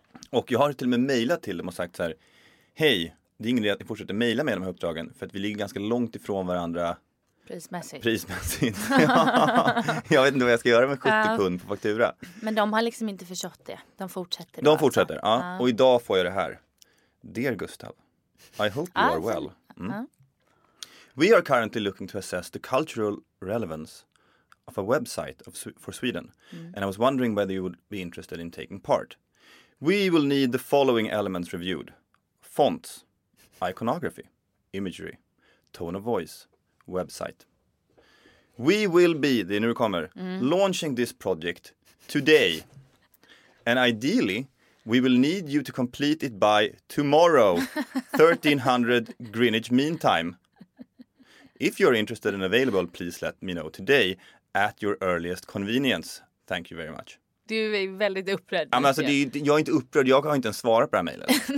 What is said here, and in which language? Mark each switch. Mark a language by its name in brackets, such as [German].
[Swedish] Och jag har till och med mejlat till dem och sagt så här: hej, det är ingen idé att ni fortsätter mejla med de här uppdragen. För att vi ligger ganska långt ifrån varandra. Prismässigt. Ja. Jag vet inte vad jag ska göra med 70 pund på faktura. Men de har liksom inte förstått det. De fortsätter. De fortsätter, ja. Och idag får jag det här. [English] Dear Gustav, I hope you are well. Mm. We are currently looking to assess the cultural relevance of a website for Sweden. Mm. And I was wondering whether you would be interested in taking part. We will need the following elements reviewed. Fonts. Iconography, imagery, tone of voice, website. We will be, [Swedish] det är nu det kommer, [English] launching this project today. And ideally, we will need you to complete it by tomorrow, 1300 Greenwich Mean Time. If you're interested and available, please let me know today at your earliest convenience. Thank you very much. [Swedish] Du är väldigt upprörd. Ja, men alltså, jag är inte upprörd. Jag har inte ens svarat på det här mejlet.